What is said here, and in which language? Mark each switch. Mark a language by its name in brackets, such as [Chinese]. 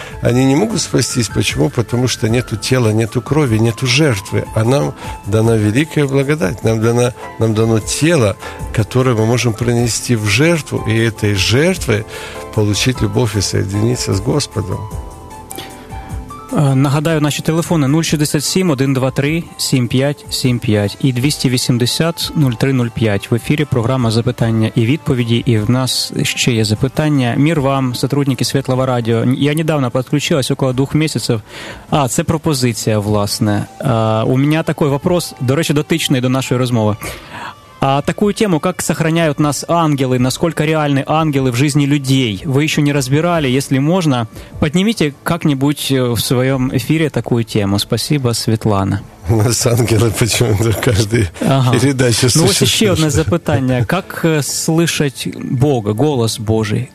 [Russian] Они не могут спастись. Почему? Потому что нету тела, нету крови, нету жертвы. А нам дана великая благодать. Нам дано тело, которое мы можем принести в жертву, и этой жертвой получить любовь и соединиться с Господом. [Ukrainian] Нагадаю, наші телефони 067-123-7575 і 280-0305. В ефірі програма «Запитання і відповіді», і в нас ще є запитання. [Russian] Мір вам, сотрудники Світлого радіо. Я недавно подключилась, около 2 місяців. [Ukrainian] А, це пропозиція, власне. У мене такий вопрос, до речі, дотичний до нашої розмови. [Russian] А такую тему, как сохраняют нас ангелы, насколько реальны ангелы в жизни людей, вы еще не разбирали, если можно, поднимите как-нибудь в своем эфире такую тему. Спасибо, Светлана. У нас ангелы почему-то в каждой передаче существуют. Ну вот еще одно запитание. Как слышать Бога, голос Божий?